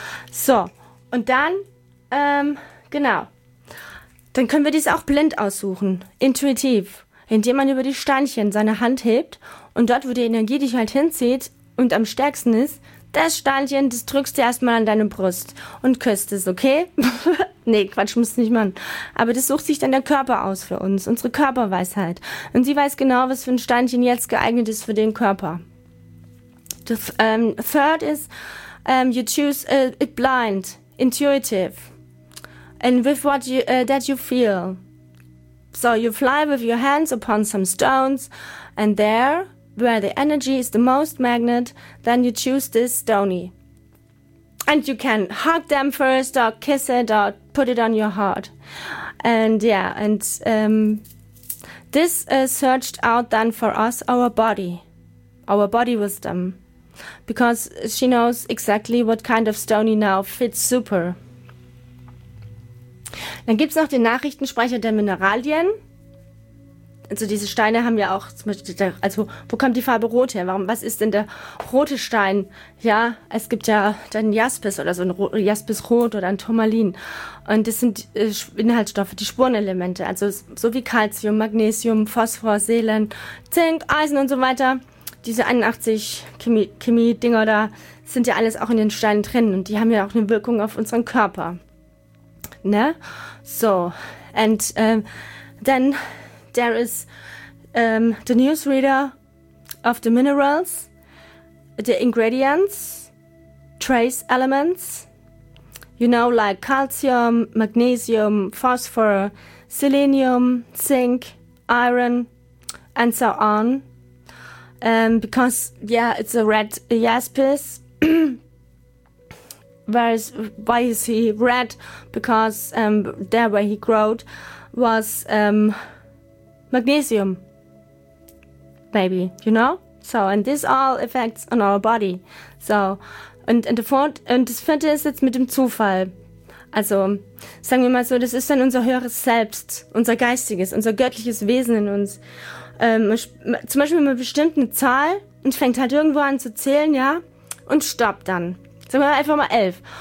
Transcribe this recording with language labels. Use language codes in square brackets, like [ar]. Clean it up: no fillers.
[de] So, und dann, genau. Dann können wir dies auch blind aussuchen, intuitiv, indem man über die Steinchen seine Hand hebt und dort, wo die Energie dich halt hinzieht und am stärksten ist, das Steinchen, das drückst du erstmal an deine Brust und küsst es, okay? Nee, Quatsch, musst du nicht machen. Aber das sucht sich dann der Körper aus für uns, unsere Körperweisheit. Und sie weiß genau, was für ein Steinchen jetzt geeignet ist für den Körper. [en] Third ist, you choose it blind, intuitive, and with what you, that you feel. So you fly with your hands upon some stones, and there, where the energy is the most magnet, then you choose this stony. And you can hug them first, or kiss it, or put it on your heart. And yeah, and this searched out then for us our body wisdom. Because she knows exactly what kind of stony now fits super. [de] Dann gibt's noch den Nachrichtensprecher der Mineralien. Also diese Steine haben ja auch, also wo kommt die Farbe Rot her? Warum? Was ist denn der rote Stein? Ja, es gibt ja dann Jaspis oder so ein Jaspisrot oder ein Turmalin. Und das sind Inhaltsstoffe, die Spurenelemente. Also so wie Calcium, Magnesium, Phosphor, Selen, Zink, Eisen und so weiter. Diese 81 Chemie-Dinger da sind ja alles auch in den Steinen drin und die haben ja auch eine Wirkung auf unseren Körper. Ne? [en] So, and then there is the newsreader of the minerals, the ingredients, trace elements, you know, like calcium, magnesium, phosphor, selenium, zinc, iron, and so on. Because, yeah, it's a red jaspis. why is he red? Because there where he growed was magnesium. Maybe, you know? So, and this all affects on our body. So, and the fourth, and [de] das vierte ist jetzt mit dem Zufall. Also, sagen wir mal so, das ist dann unser höheres Selbst, unser geistiges, unser göttliches Wesen in uns. Zum Beispiel, wenn man bestimmt eine Zahl und fängt halt irgendwo an zu zählen, ja, und stoppt dann. Sagen wir mal einfach mal 11.